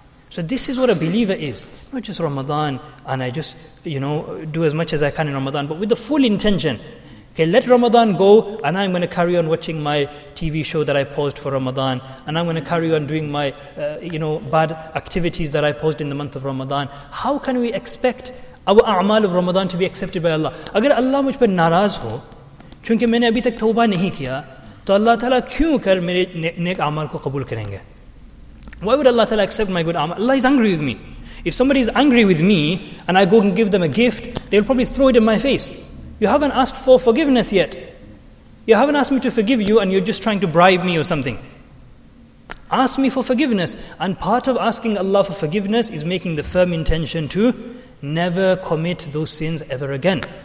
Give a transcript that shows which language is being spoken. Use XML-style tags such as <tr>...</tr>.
<en>So this is what a believer is. Not just Ramadan, and I just, you know, do as much as I can in Ramadan, but with the full intention. Okay, let Ramadan go, and I'm going to carry on watching my TV show that I paused for Ramadan, and I'm going to carry on doing my, bad activities that I paused in the month of Ramadan. How can we expect our a'mal of Ramadan to be accepted by Allah?</en> <ur>اگر اللہ مجھ پر ناراض ہو، چونکہ میں نے ابھی تک توبہ نہیں کیا، تو اللہ تعالیٰ کیوں کر میرے نیک اعمال کو قبول کریں گے؟</ur> <en>Why would Allah Ta'ala accept my good a'mal? Allah is angry with me. If somebody is angry with me and I go and give them a gift, they'll probably throw it in my face. You haven't asked for forgiveness yet. You haven't asked me to forgive you and you're just trying to bribe me or something. Ask me for forgiveness. And part of asking Allah for forgiveness is making the firm intention to never commit those sins ever again.</en>